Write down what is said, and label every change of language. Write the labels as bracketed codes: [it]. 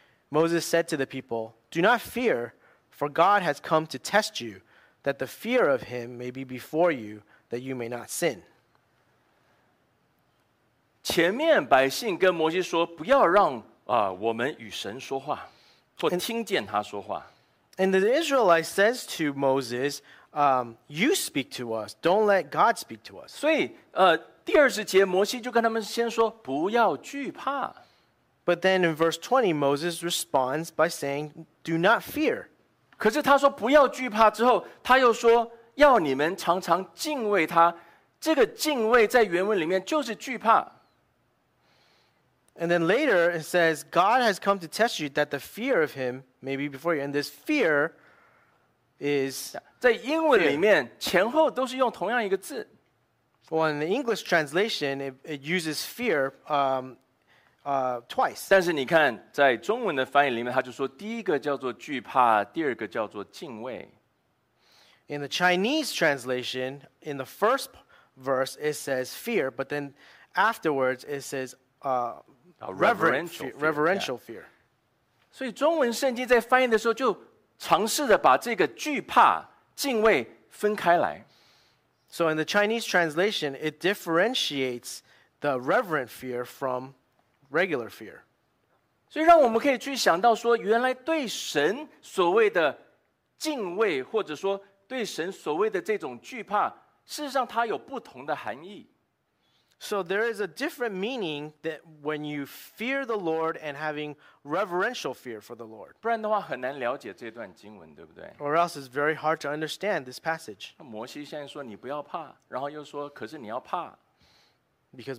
[en] Moses said to the people, Do not fear, for God has come to test you, that the fear of him may be before you. That you may not sin. [zh] 前面百姓跟摩西说，不要让我们与神说话，或听见他说话。 [en] And the Israelite says to Moses, "You speak to us. Don't let God speak to us." [zh] 所以第二十节摩西就跟他们先说，不要惧怕。 [en] But then in verse 20, Moses responds by saying, "Do not fear." [zh] 可是他说不要惧怕之后，他又说。要你们常常敬畏他，这个敬畏在原文里面就是惧怕。 [en] And then later it says, God has come to test you that the fear of him may be before you. And this fear is [zh] 在英文里面前后都是用同样一个字。 [en] Well, in the English translation, it uses fear twice. [zh] 但是你看，在中文的翻译里面，他就说第一个叫做惧怕，第二个叫做敬畏。 [en] In the Chinese translation, in the first verse, it says fear, but then afterwards it says reverential fear. [zh] 所以中文圣经在翻译的时候就尝试着把这个惧怕敬畏分开来。 [en] So in the Chinese translation, it differentiates the reverent fear from regular fear. [zh] 所以让我们可以去想到说，原来对神所谓的敬畏，或者说对神所谓的这种惧怕，事实上它有不同的含义。 [en] So there is a different meaning that when you fear the Lord and having reverential fear for the Lord. [zh] 不然的话很难了解这段经文，对不对？ [en] Or else it's very hard to understand this passage. [zh] 摩西现在说你不要怕，然后又说可是你要怕。 [en] Because